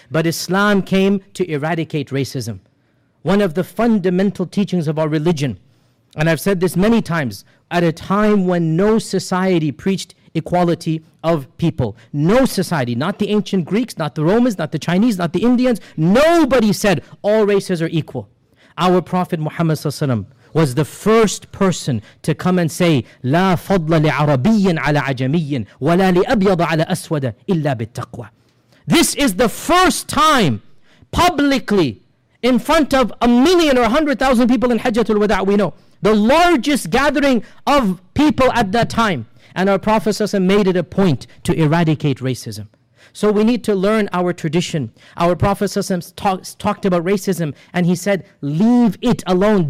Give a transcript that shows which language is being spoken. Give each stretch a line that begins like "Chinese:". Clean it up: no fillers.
English: But Islam came to eradicate racism. One of the fundamental teachings of our religion, and I've said this many times, at a time when no society preached equality of people. No society, not the ancient Greeks, not the Romans, not the Chinese, not the Indians. Nobody said all races are equal. Our Prophet Muhammad was the first person to come and say,
Arabic: لا فضل لعربي على عجمي ولا لأبيض على أسود إلا بالتقوى.
English: This is the first time publicly in front of a million or 100,000 people in Hajjatul Wada', we know. The largest gathering of people at that time. And our Prophet ﷺ made it a point to eradicate racism. So we need to learn our tradition. Our Prophet ﷺ talked about racism and he said, leave it alone.